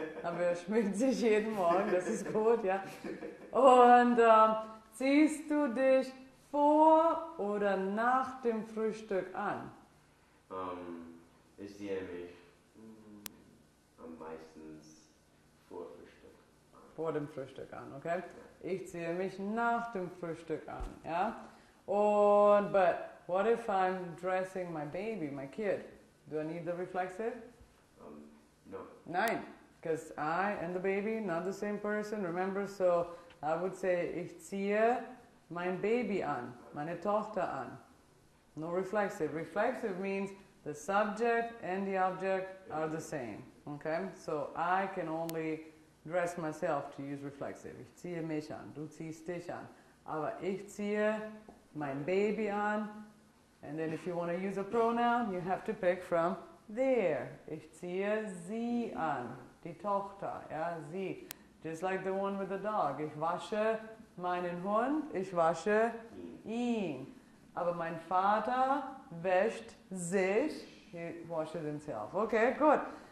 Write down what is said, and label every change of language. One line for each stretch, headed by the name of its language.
German: Aber er schminkt sich jeden Morgen, das ist gut, ja? Und ziehst du dich vor oder nach dem Frühstück an? Ich ziehe mich meistens vor Frühstück an. Vor dem Frühstück an, okay? Ich ziehe mich nach dem Frühstück an, ja?
English: Und, but what if I'm dressing my baby, my kid? Do I need the reflexive? No. Nein, because I and the baby, not the same person, remember? So I would say,
German: ich ziehe mein Baby an, meine Tochter an.
English: No reflexive. Reflexive means the subject and the object are the same. Okay, so I can only dress myself to use reflexive.
German: Ich ziehe mich an, du ziehst dich an. Aber ich ziehe mein Baby an.
English: And then if you want to use a pronoun, you have to pick from there.
German: Ich ziehe sie an, die Tochter, ja, sie.
English: Just like the one with the dog.
German: Ich wasche meinen Hund, ich wasche ihn. Aber mein Vater wäscht sich,
English: he washes himself.
German: Okay, gut.